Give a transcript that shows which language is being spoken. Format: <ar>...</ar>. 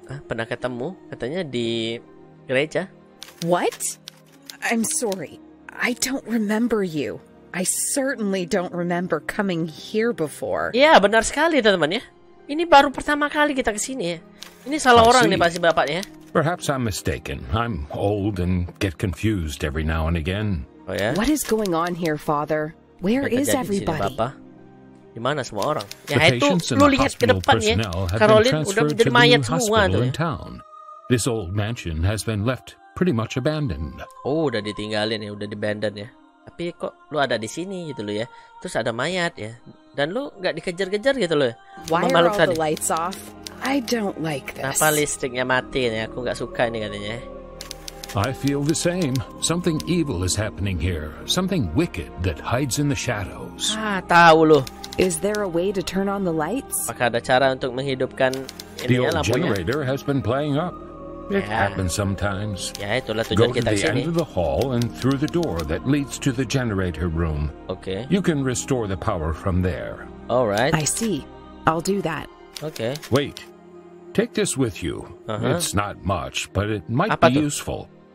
<id>Pernah ketemu, katanya di gereja.</id> <en>What? I'm sorry. I don't remember you. I certainly don't remember coming here before.</en> <id>Iya, benar sekali, teman-teman ya. Ini baru pertama kali kita ke sini ya. Ini salah orang nih pasti bapaknya.</id> <en>Perhaps I'm mistaken. I'm old and get confused every now and again.</en> <id>Oh ya.</id> <en>What is going on here, father? Where is everybody?</en> <id>Di mana semua orang? Ya itu, lu lihat ke depan ya. Caroline udah jadi mayat semua tuh.</id> <en>This old mansion has been left pretty much abandoned.</en> <id>Oh, udah ditinggalin ya, udah di abandon ya. Tapi kok lu ada di sini gitu lo ya. Terus ada mayat ya. Dan lu nggak dikejar-kejar gitu lo.</id> <en>Why are all the lights off? I don't like this.</en> <id>Kenapa listriknya mati ini? Aku nggak suka ini katanya.</id> <en>I feel the same. Something evil is happening here. Something wicked that hides in the shadows.</en> <id>Ah, tahu lu.</id> <en>Is there a way to turn on the lights?</en> <id>Apakah ada cara untuk menghidupkan ini ya lampunya?</id> <en>The generator has been playing up. It happens sometimes.</en> <id>Ya, itulah tujuan kita ke sini.</id> <en>Go to the end of the hall and through the door that leads to the generator room. Okay. You can restore the power from there. All right. I see. I'll do that. Okay. Wait. Take this with you. Uh-huh. It's not much, but it might be useful.</en>